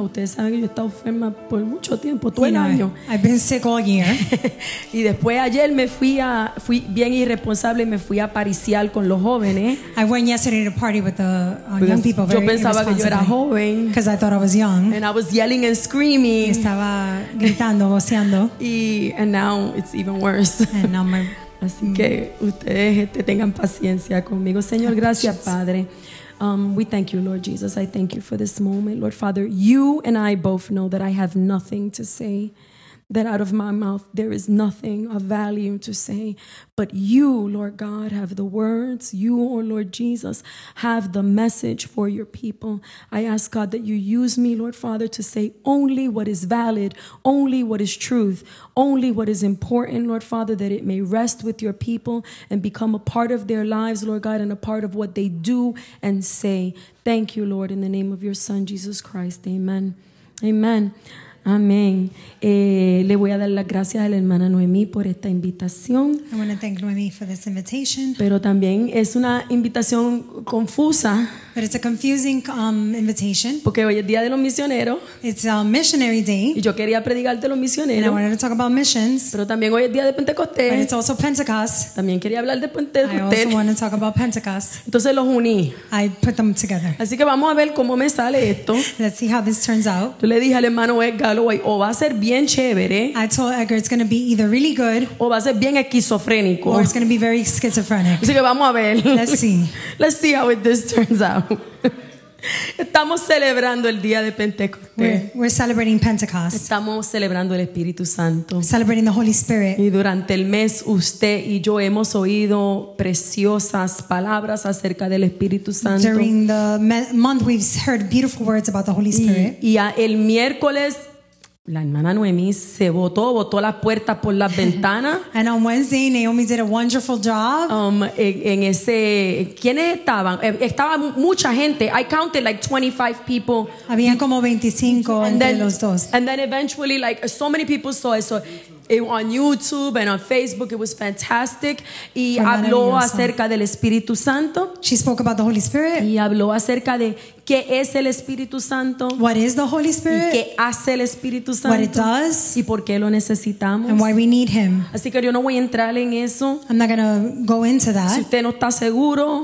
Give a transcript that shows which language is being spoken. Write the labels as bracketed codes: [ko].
[es] Ustedes saben que yo he estado enferma por mucho tiempo, todo el año. [en] I've been sick all year. [es] Y después ayer me fui bien irresponsable, me fui a pariciar con los jóvenes. [en] I went yesterday to party with the young people. Very [es] yo pensaba que yo era joven. [en] Because I thought I was young. And I was yelling and screaming. [es] Y estaba gritando, voceando. [en] And now it's even worse. And now my... [es] Así que ustedes tengan paciencia conmigo. Señor, gracias, Padre. [en] We thank you, Lord Jesus. I thank you for this moment. Lord Father, you and I both know that I have nothing to say, that out of my mouth there is nothing of value to say. But you, Lord God, have the words. You, oh Lord Jesus, have the message for your people. I ask, God, that you use me, Lord Father, to say only what is valid, only what is truth, only what is important, Lord Father, that it may rest with your people and become a part of their lives, Lord God, and a part of what they do and say. Thank you, Lord, in the name of your Son, Jesus Christ. Amen. Amen. Amén. [es] Le voy a dar las gracias a la hermana Noemí por esta invitación. [en] I want to thank Noemí for this invitation. [es] Pero también es una invitación confusa. [en] But it's a confusing invitation. [es] Porque hoy es día de los misioneros. [en] It's a missionary day. [es] Y yo quería predicar de los misioneros. [en] And I wanted to talk about missions. [es] Pero también hoy es día de Pentecostés. [en] But it's also Pentecost. [es] También quería hablar de Pentecostés. [en] I also want to talk about Pentecost. [es] Entonces los uní. [en] I put them together. [es] Así que vamos a ver cómo me sale esto. [en] Let's see how this turns out. [es] Yo le dije al hermano Edgar, o va a ser bien chévere. [en] I told Edgar it's going to be either really good. [es] O va a ser bien esquizofrénico. [en] Or it's going to be very schizophrenic. [es] Así que vamos a ver. [en] Let's see. Let's see how this turns out. [es] Estamos celebrando el día de Pentecostés. [en] We're celebrating Pentecost. [es] Estamos celebrando el Espíritu Santo. [en] Celebrating the Holy Spirit. [es] Y durante el mes usted y yo hemos oído preciosas palabras acerca del Espíritu Santo. [en] During the month we've heard beautiful words about the Holy Spirit. [es] Y el miércoles la hermana Noemí se botó las puertas por las ventanas. [en] And on Wednesday, Naomi did a wonderful job. [es] En ese, ¿quiénes estaban? Estaba mucha gente. [en] I counted like 25 people. [es] Habían como 25 entre los dos. [en] And then eventually, like so many people saw it. So on YouTube and on Facebook, it was fantastic. [es] Y habló acerca del Espíritu Santo. [en] She spoke about the Holy Spirit. [es] Y habló acerca de qué es el Espíritu Santo. [en] What is the Holy Spirit? [es] Y qué hace el Espíritu Santo. [en] What it does. [es] Y por qué lo necesitamos. [en] And why we need him. [es] Así que yo no voy a entrar en eso. [en] I'm not going to go into that. [es] Si usted no está seguro.